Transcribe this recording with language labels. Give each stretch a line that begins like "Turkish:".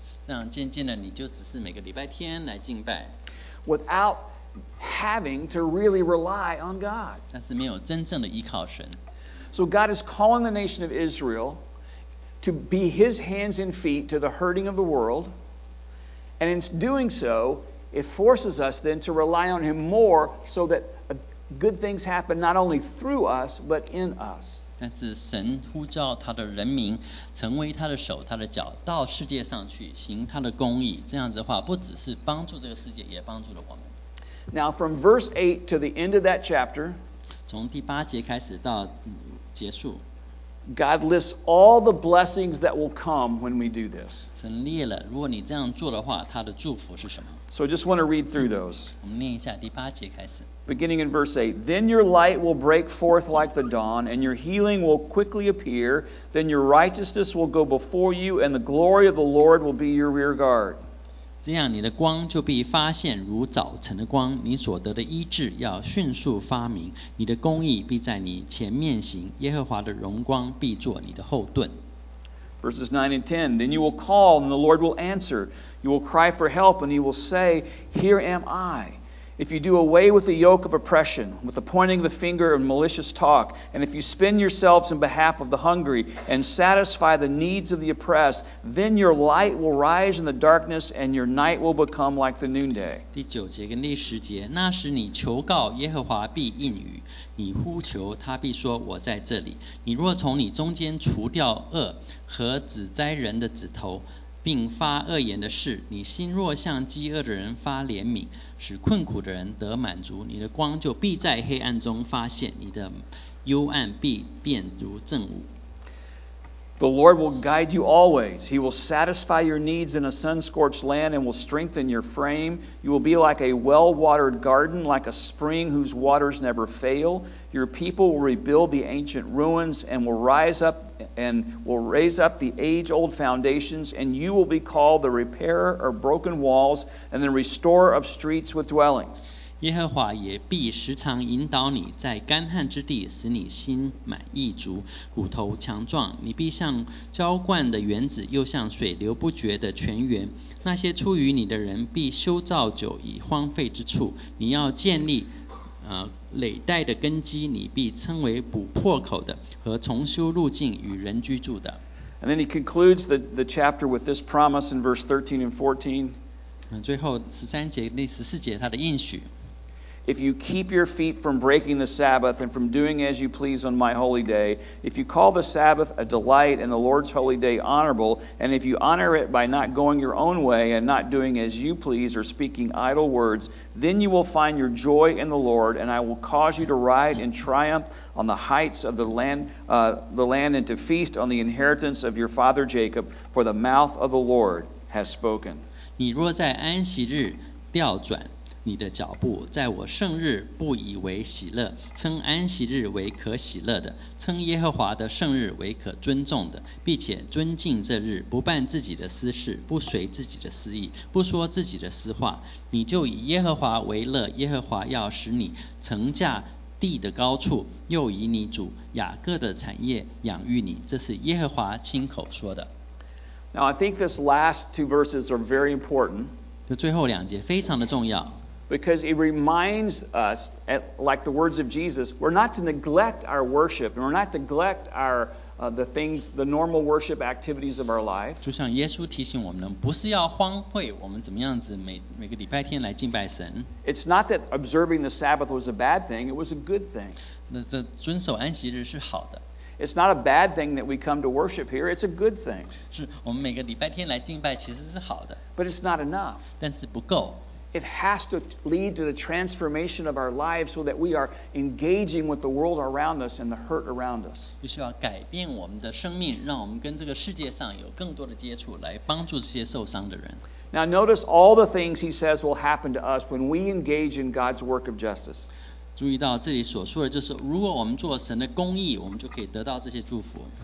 Chinese: 让渐渐的你就只是每个礼拜天来敬拜。
English: Without having to really rely on God.
Chinese: 但是没有真正的依靠神。
English: So God is calling the nation of Israel to be His hands and feet to the hurting of the world. And in doing so, it forces us then to rely on Him more so that good things happen not only through us, but in us.
Chinese: 但是神呼召他的人民成为他的手、他的脚，到世界上去行他的公义。这样子的话，不只是帮助这个世界，也帮助了我们。
English: Now from verse 8 to the end of that chapter,
Chinese: 从第八节开始到结束。
English: God lists all the blessings that will come when we do this.
Chinese: 神列了，如果你这样做的话，他的祝福是什么？
English: So I just want to read through those.
Chinese: 我们念一下第八节开始。
English: Beginning in verse 8, Then your light will break forth like the dawn, and your healing will quickly appear. Then your righteousness will go before you, and the glory of the Lord will be your rear guard.
Chinese: 这样你的光就必发现如早晨的光，你所得的医治要迅速发明，你的公义必在你前面行，耶和华的荣光必做你的后盾。
English: Verses 9 and 10, Then you will call, and the Lord will answer. You will cry for help, and He will say, Here am I. If you do away with the yoke of oppression, with the pointing of the finger and malicious talk, and if you spend yourselves in behalf of the hungry and satisfy the needs of the oppressed, then your light will rise in the darkness and your night will become like the noonday.
Chinese: 第九节跟第十节，那时你求告耶和华必应允，你呼求他必说我在这里。你若从你中间除掉恶和指摘人的指头，并发恶言的事，你心若向饥饿的人发怜悯，使困苦的人得满足，你的光就必在黑暗中发现，你的幽暗必变如正午。
English: The Lord will guide you always. He will satisfy your needs in a sun-scorched land and will strengthen your frame. You will be like a well-watered garden, like a spring whose waters never fail. Your people will rebuild the ancient ruins and will raise up the age-old foundations, and you will be called the repairer of broken walls and the restorer of streets with dwellings.
Chinese: 耶和华也必时常引导你在干旱之地，使你心满意足，骨头强壮。你必像浇灌的园子，又像水流不绝的泉源。那些出于你的人必修造久已荒废之处，你要建立累代的根基，你必称为补破口的和重修路径与人居住的。
English: And then he concludes the chapter with this promise in verse 13 and 14.
Chinese: 最后13节第14节他的应许。
English: If you keep your feet from breaking the Sabbath and from doing as you please on my holy day, if you call the Sabbath a delight and the Lord's holy day honorable, and if you honor it by not going your own way and not doing as you please or speaking idle words, then you will find your joy in the Lord, and I will cause you to ride in triumph on the heights of the land and to feast on the inheritance of your father Jacob, for the mouth of the Lord has spoken.
Chinese: 你若在安息日调转你的脚步，在我圣日不以为喜乐，称安息日为可喜乐的，称耶和华的圣日为可尊重的，并且尊敬这日，不办自己的私事，不随自己的私意，不说自己的私话，你就以耶和华为乐。耶和华要使你乘驾地的高处，又以你主雅各的产业养育你。这是耶和华亲口说的。
English: Now I think this last two verses are very important.
Chinese: 就最后两节非常的重要。
English: Because it reminds us, like the words of Jesus, we're not to neglect our worship, and we're not to neglect the normal worship activities of our life.
Chinese: 就像耶稣提醒我们，不是要荒废我们怎么样子每个礼拜天来敬拜神。
English: It's not that observing the Sabbath was a bad thing, it was a good thing.
Chinese: 那遵守安息日是好的。
English: It's not a bad thing that we come to worship here, it's a good thing.
Chinese: 是我们每个礼拜天来敬拜其实是好的。
English: But it's not enough.
Chinese: 但是不够。
English: It has to lead to the transformation of our lives so that we are engaging with the world around us and the hurt around us.
Chinese: 必须要改变我们的生命，让我们跟这个世界上有更多的接触，来帮助这些受伤的人。
English: Now notice all the things he says will happen to us when we engage in God's work of justice.
Chinese: 注意到这里所说的就是，如果我们做神的公义，我们就可以得到这些祝福。